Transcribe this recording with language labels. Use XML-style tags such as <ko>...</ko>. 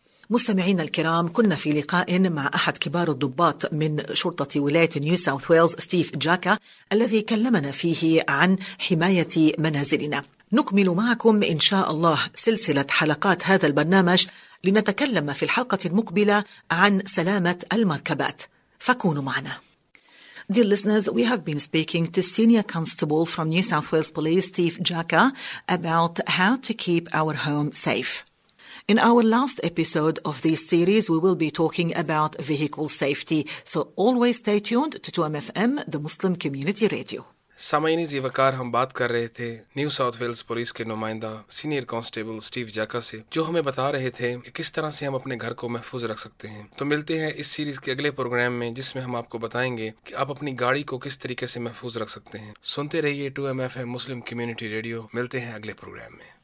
<ar>مستمعينا الكرام، كنا في لقاء مع أحد كبار الضباط من شرطة ولاية نيو ساوث ويلز ستيف جاكا، الذي كلمنا فيه عن حماية منازلنا. نكمل معكم إن شاء الله سلسلة حلقات هذا البرنامج لنتكلم في الحلقة المقبلة عن سلامة المركبات، فكونوا معنا.</ar> <en>Dear listeners, we have been speaking to Senior Constable from New South Wales Police, Steve Jaka, about how to keep our home safe. In our last episode of this series, we will be talking about vehicle safety. So always stay tuned to 2MFM, the Muslim Community Radio.</en> <ur>سامعین ذیوقار، ہم بات کر رہے تھے new south Wales police کے نمائندہ senior constable Steve جاکا سے، جو ہمیں بتا رہے تھے کہ کس طرح سے ہم اپنے گھر کو محفوظ رکھ سکتے ہیں. تو ملتے ہیں اس سیریز کے اگلے پروگرام میں، جس میں ہم آپ کو بتائیں گے کہ آپ اپنی گاڑی کو کس طریقے سے محفوظ رکھ سکتے ہیں. سنتے رہیے 2MFM مسلم کمیونٹی ریڈیو، ملتے ہیں اگلے پروگرام میں.</ur>